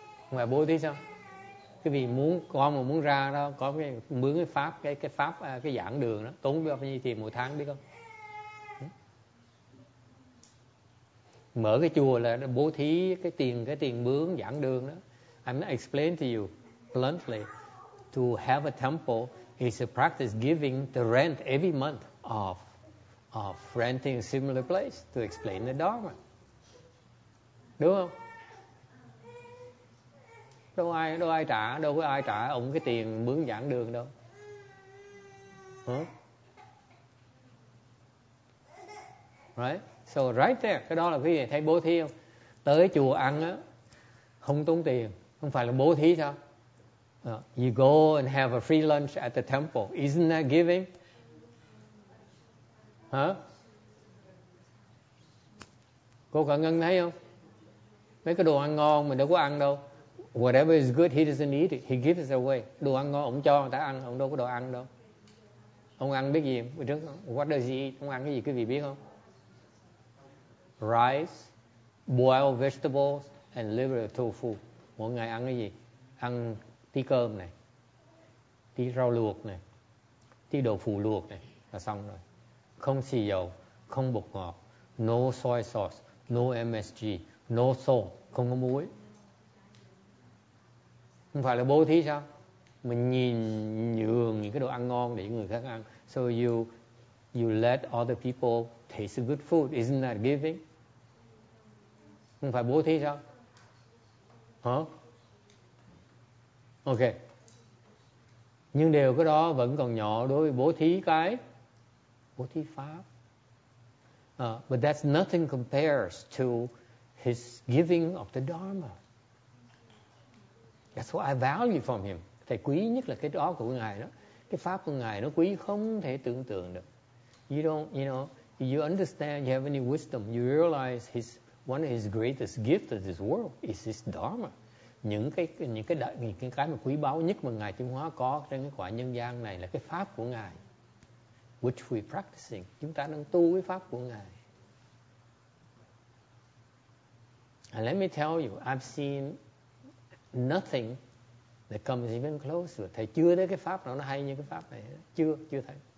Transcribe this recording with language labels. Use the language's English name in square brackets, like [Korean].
[Vietnamese] Ngoài bố thí sao? Cái vì muốn con mà muốn ra đó, có cái mướn cái pháp, cái pháp, cái giảng đường đó, tốn bao nhiêu tiền một tháng biết không? Mở cái chùa là bố thí cái tiền mướn giảng đường đó. [English] I'm explain to you bluntly, to have a temple is a practice giving the rent every month of renting a similar place to explain the dharma. [Vietnamese] Đúng không? Đâu ai trả, đâu có ai trả ông cái tiền mướn giảng đường đâu. Huh? [English] Right? So right there, [Vietnamese] cái đó là quý vị thấy bố thí không? Tới chùa ăn á, không tốn tiền, không phải là bố thí sao? [English] You go and have a free lunch at the temple. Isn't that giving? Hả? [Vietnamese] Cô Khả Ngân thấy không? Mấy cái đồ ăn ngon mình đâu có ăn đâu. [English] Whatever is good, he doesn't eat it. He gives it away. [Vietnamese] Đồ ăn ngon, ông cho người ta ăn. Ông đâu có đồ ăn đâu. Ông ăn biết gì? [English] What does he eat? [Vietnamese] Ông ăn cái gì quý vị biết không? [English] Rice, boiled vegetables, and liver tofu. [Vietnamese] Mỗi ngày ăn cái gì? Ăn tí cơm này, tí rau luộc này, tí đậu phụ luộc này là xong rồi. Không xì dầu, không bột ngọt, [English] no soy sauce, no MSG, no salt, [Vietnamese] không có muối. Không phải là bố thí sao? Mình nhìn nhường những cái đồ ăn ngon để người khác ăn. [English] So you let other people taste good food, isn't that giving? [Vietnamese] Không phải bố thí sao? Hả? Ok. Nhưng điều cái đó vẫn còn nhỏ đối với bố thí cái. Bố thí pháp. [English] But that's nothing compares to his giving of the Dharma. That's what I value from him. [Vietnamese] Thầy quý nhất là cái đó của Ngài đó. Cái pháp của Ngài nó quý không thể tưởng tượng được. [English] You don't, you know, you understand, you have any wisdom, you realize his, one of his greatest gifts of this world is his Dharma. [Vietnamese] Những cái mà quý báu nhất mà Ngài Trung Hóa có trên cái quả nhân gian này là cái pháp của Ngài, [English] which we practicing, [Vietnamese] chúng ta đang tu cái pháp của Ngài. [English] And let me tell you, I've seen nothing that comes even close to. [Vietnamese] Thầy chưa thấy cái pháp nào nó hay như cái pháp này, chưa thấy.